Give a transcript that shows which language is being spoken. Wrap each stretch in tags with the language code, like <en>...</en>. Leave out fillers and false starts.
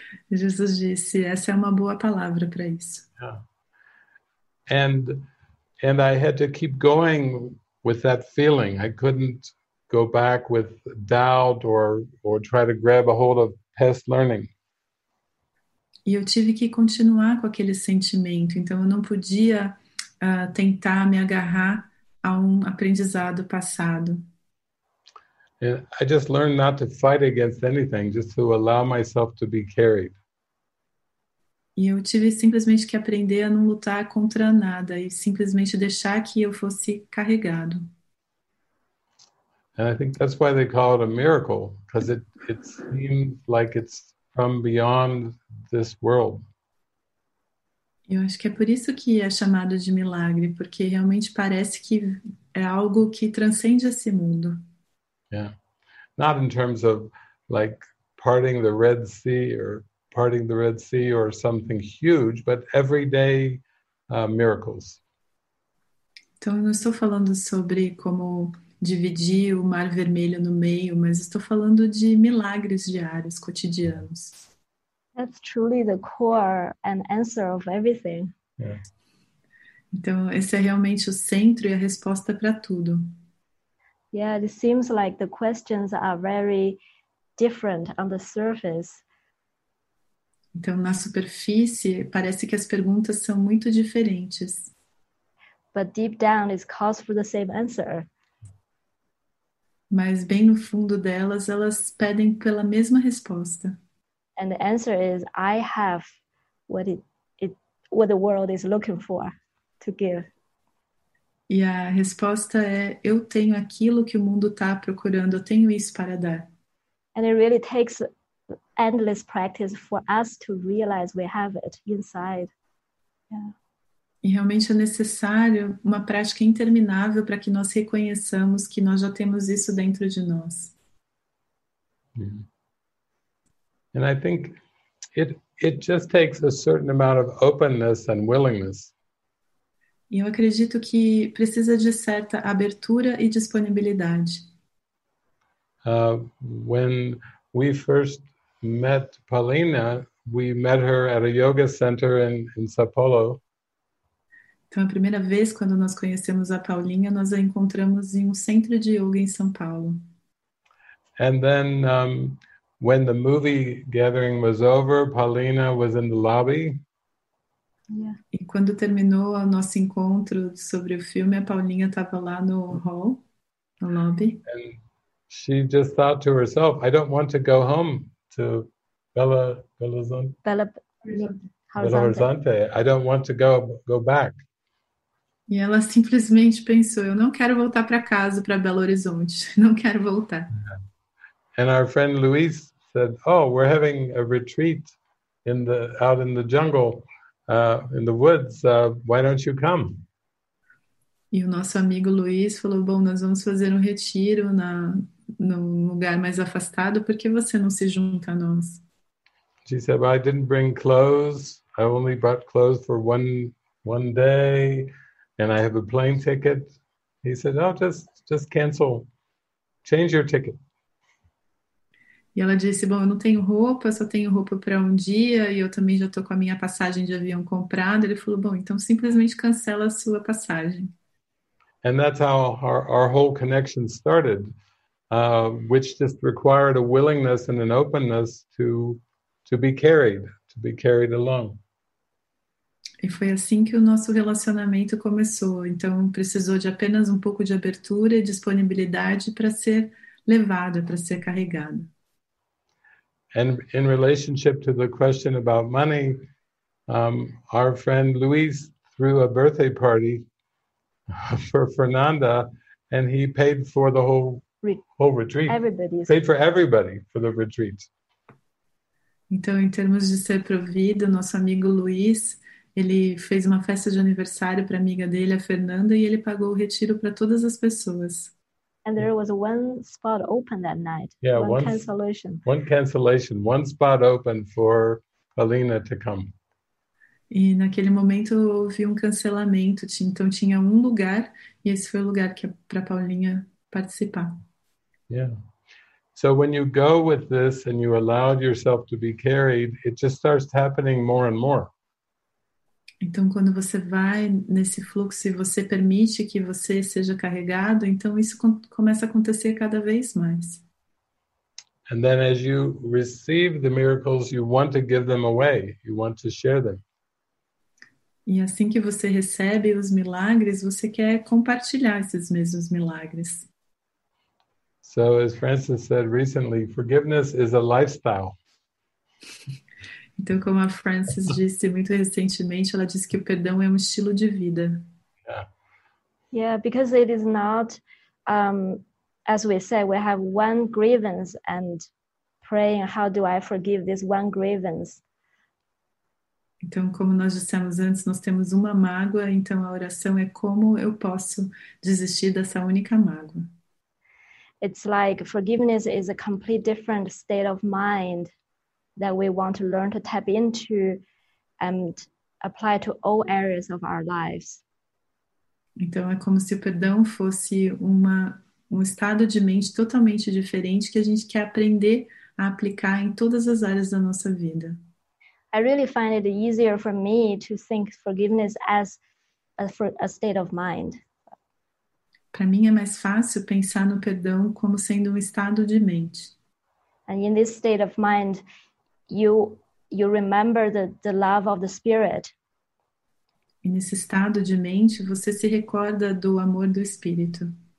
<pt>Jesus disse, essa é uma boa palavra para isso.</pt> <en>Yeah. And I had to keep going with that feeling. I couldn't go back with doubt or try to grab a hold of past learning.</en> <pt>E eu tive que continuar com aquele sentimento. Então, eu não podia tentar me agarrar a um aprendizado passado.</pt> <en>I just learned not to fight against anything, just to allow myself to be carried.</en> <pt>E eu tive simplesmente que aprender a não lutar contra nada e simplesmente deixar que eu fosse carregado.</pt> <en>And I think that's why they call it a miracle, because it seems like it's from beyond this world.</en> <pt>Eu acho que é por isso que é chamado de milagre, porque realmente parece que é algo que transcende esse mundo.</pt> <en>Yeah. Not in terms of like parting the Red Sea or something huge, but everyday miracles.</en> <pt>Então, eu não estou falando sobre como dividir o mar vermelho no meio, mas estou falando de milagres diários, cotidianos.</pt> <en>That's truly the core and answer of everything. Yeah.</en> <pt>Então, esse é realmente o centro e a resposta para tudo.</pt> <en>Yeah, it seems like the questions are very different on the surface.</en> <pt>Então, na superfície, parece que as perguntas são muito diferentes.</pt> <en>But deep down, it calls for the same answer.</en> <pt>Mas bem no fundo delas, elas pedem pela mesma resposta.</pt> <en>And the answer is, I have what the world is looking for to give.</en> <pt>E a resposta é, eu tenho aquilo que o mundo está procurando, eu tenho isso para dar.</pt> <en>And it really takes endless practice for us to realize we have it inside. Yeah.</en> <pt>E realmente é necessário uma prática interminável para que nós reconheçamos que nós já temos isso dentro de nós.</pt> <en>Yeah. And I think it just takes a certain amount of openness and willingness.</en> <pt>E eu acredito que precisa de certa abertura e disponibilidade.</pt> <en>When we first met Paulina, we met her at a yoga center in Sao Paulo.</en> <pt>Então, a primeira vez quando nós conhecemos a Paulinha, nós a encontramos em um centro de yoga em São Paulo.</pt> <en>And then, when the movie gathering was over, Paulina was in the lobby.</en> <pt>Yeah. E quando terminou o nosso encontro sobre o filme, a Paulinha estava lá no hall, no lobby.</pt> <en>And she just thought to herself, I don't want to go home to Belo Horizonte. I don't want to go back.</en> <pt>E ela simplesmente pensou, eu não quero voltar para casa, para Belo Horizonte. Não quero voltar.</pt> <en>And our friend Luis said, oh, we're having a retreat out in the jungle, in the woods. Why don't you come?</en> <pt>E o nosso amigo Luis falou, bom, nós vamos fazer um retiro no lugar mais afastado. Por que você não se junta a nós?</pt> <en>She said, well, I didn't bring clothes. I only brought clothes for one day. And I have a plane ticket. He said, oh, just cancel. Change your ticket.</en> <pt>E ela disse, bom, eu não tenho roupa, só tenho roupa para um dia e eu também já estou com a minha passagem de avião comprada. Ele falou, bom, então simplesmente cancela a sua passagem.</pt> <en>And that's how our whole connection started, which just required a willingness and an openness to be carried along.</en> <pt>E foi assim que o nosso relacionamento começou. Então, precisou de apenas um pouco de abertura e disponibilidade para ser levado, para ser carregado.</pt> <en>And in relationship to the question about money, our friend Luis threw a birthday party for Fernanda, and he paid for the whole retreat. Everybody's paid for everybody for the retreat.</en> <pt>Então, em termos de ser provido, nosso amigo Luis, ele fez uma festa de aniversário para a amiga dele, a Fernanda, e ele pagou o retiro para todas as pessoas.</pt> <en>And there was one spot open that night. Yeah, one cancellation. One cancellation, one spot open for Paulina to come.</en> <pt>E naquele momento houve um cancelamento, então tinha um lugar e esse foi o lugar que para Paulinha participar.</pt> <en>Yeah. So when you go with this and you allow yourself to be carried, it just starts happening more and more.</en> <pt>Então, quando você vai nesse fluxo e você permite que você seja carregado, então isso começa a acontecer cada vez mais.</pt> <en>And then as you receive the miracles, you want to give them away. You want to share them.</en> <pt>E assim que você recebe os milagres, você quer compartilhar esses mesmos milagres.</pt> <en>So, as Francis said recently, forgiveness is a lifestyle.</en> <pt>Então, como a Frances disse muito recentemente, ela disse que o perdão é um estilo de vida.</pt> <en>Yeah, yeah, because it is not, as we said, we have one grievance and praying, how do I forgive this one grievance?</en> <pt>Então, como nós dissemos antes, nós temos uma mágoa, então a oração é como eu posso desistir dessa única mágoa.</pt> <en>It's like forgiveness is a complete different state of mind that we want to learn to tap into and apply to all areas of our lives.</en> <pt>Então é como se o perdão fosse um estado de mente totalmente diferente que a gente quer aprender a aplicar em todas as áreas da nossa vida.</pt> <en>I really find it easier for me to think forgiveness as a state of mind.</en> <pt>Para mim é mais fácil pensar no perdão como sendo um estado de mente.</pt> <en>And in this state of mind, You remember the love of the spirit.</en> <pt>E nesse estado de mente, você se recorda do amor do espírito.</pt>